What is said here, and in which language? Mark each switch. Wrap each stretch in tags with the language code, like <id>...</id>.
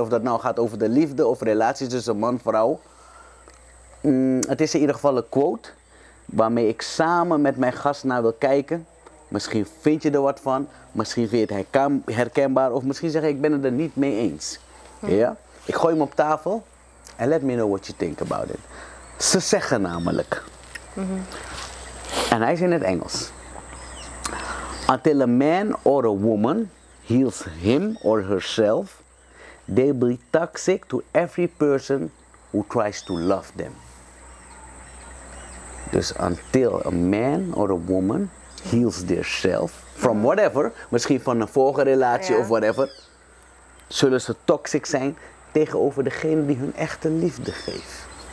<nl>Of dat nou gaat over de liefde of relaties tussen man en vrouw. Het is in ieder geval een quote waarmee ik samen met mijn gast naar wil kijken. Misschien vind je er wat van. Misschien vind je het herkenbaar. Of misschien zeg ik, ik ben het er niet mee eens. Ja? Ik gooi hem op tafel.</nl> <en>En let me know what you think about it.</en> <nl>Ze zeggen namelijk. Mm-hmm. En hij is in het Engels.</nl> <en>Until a man or a woman heals him or herself, they will be toxic to every person who tries to love them.</en> <nl>Dus</nl> <en>until a man or a woman heals themselves from whatever,</en> <nl>misschien van een vorige relatie of whatever, zullen ze toxic zijn tegenover degene die hun echte liefde geeft.</nl>